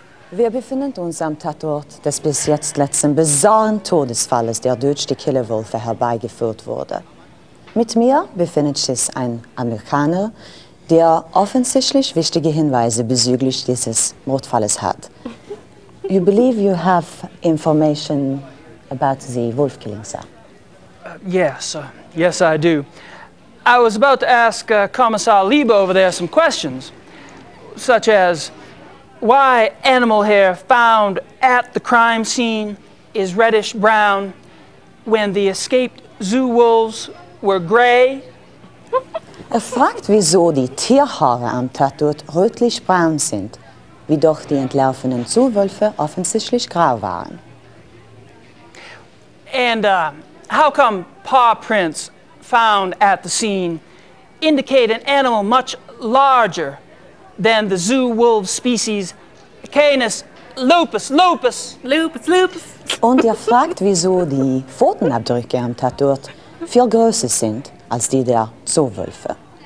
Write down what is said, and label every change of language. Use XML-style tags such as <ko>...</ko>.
<de>Wir befinden uns am Tatort des bis jetzt letzten bizarren Todesfalles, der durch die Killerwölfe herbeigeführt wurde. Mit mir befindet sich ein Amerikaner, der offensichtlich wichtige Hinweise bezüglich dieses Mordfalles hat.</de> <en>You believe you have information about the wolf killing, sir? Yes, I do. I was about to ask Commissar Liebe over there some questions, such as why animal hair found at the crime scene is reddish brown when the escaped zoo wolves were gray?</en> <de>Er fragt, wieso die Tierhaare am Tatort rötlich-braun sind, wie doch die entlaufenen Zuwölfe offensichtlich grau waren.</de> <en>And how come paw prints found at the scene indicate an animal much larger than the zoo wolf species Canis lupus, lupus? Lupus, lupus.</en> <de>Und er fragt, wieso die Pfotenabdrücke am Tatort viel größer sind als die der Zuwölfe.</de>